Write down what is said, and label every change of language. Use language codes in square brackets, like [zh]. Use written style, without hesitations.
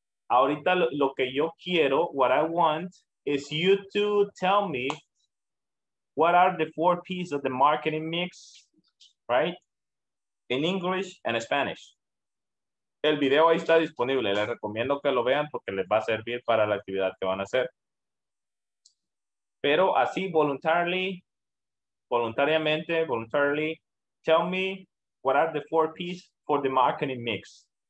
[es] Ahorita lo que yo quiero, [en] what I want, is you to tell me what are the four P's of the marketing mix, right? In English and Spanish. [es] El video ahí está disponible. Les recomiendo que lo vean porque les va a servir para la actividad que van a hacer. Pero así, voluntariamente, [en] tell me, what are the four P's for the marketing mix?